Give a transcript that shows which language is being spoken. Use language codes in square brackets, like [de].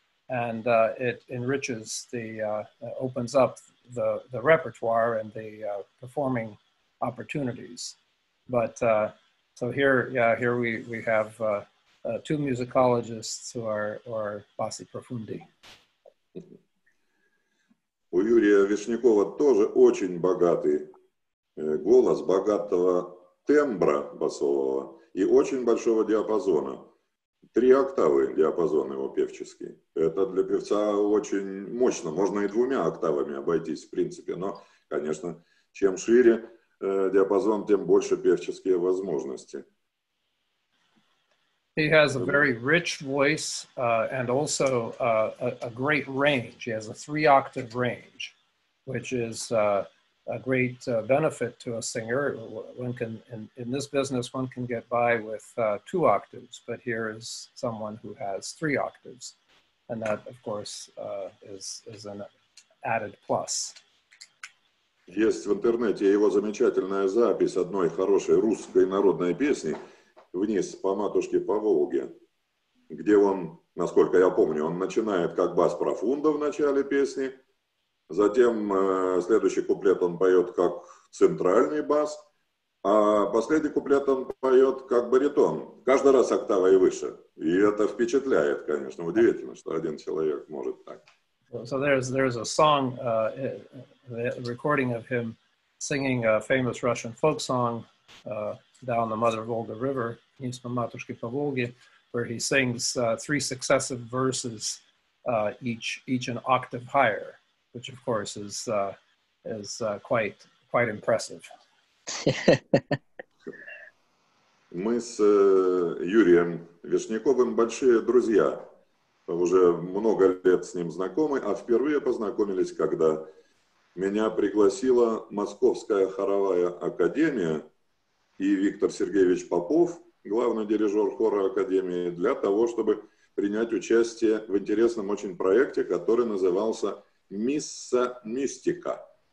[en] And it enriches opens up the repertoire and the performing opportunities. But here we have two musicologists who are bassi profundi. [ru] У Юрия Вишнякова тоже очень богатый голос, богатого тембра басового и очень большого диапазона. Три октавы диапазон его певческий. Это для певца очень мощно. Можно и двумя октавами обойтись, в принципе. Но, конечно, чем шире диапазон, тем больше певческие возможности. [en] He has a very rich voice and also a great range. He has a three-octave range, which is a great benefit to a singer. One can, in this business, one can get by with two octaves, but here is someone who has three octaves. And that, of course, is an added plus. [ru] Есть в интернете его замечательная запись одной хорошей русской народной песни «Вниз по матушке по Волге», где он, насколько я помню, он начинает как бас профундо в начале песни, затем следующий куплет он поет как центральный бас, а последний куплет он поет как баритон, каждый раз октавой выше. И это впечатляет, конечно, удивительно, что один человек может так. [en] So there's a song, the recording of him singing a famous Russian folk song, Down the Mother Volga River, Vniz po Matushke po Volge, where he sings three successive verses, each an octave higher, which of course is quite impressive. [ru] Мы с Юрием Вишняковым большие друзья, уже много лет с ним знакомы, а впервые познакомились, когда меня пригласила Московская хоровая академия и Виктор Сергеевич Попов, главный дирижер хора Академии, для того, чтобы принять участие в интересном очень проекте, который назывался «Мисса Мистика».